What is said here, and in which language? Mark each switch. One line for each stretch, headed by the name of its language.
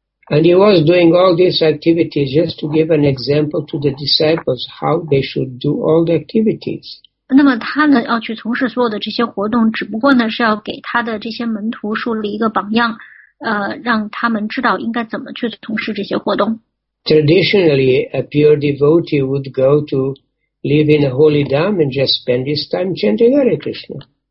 English: And he was doing all these activities just to give an example to the disciples how they should do all the activities.
Chinese: 那么他呢要去从事所有的这些活动，只不过呢是要给他的这些门徒树立一个榜样。让他们知道应该怎么去从事这些活动。
English: Traditionally, a pure devotee would go to live in a holy dham and just spend his time chanting Hare Krishna.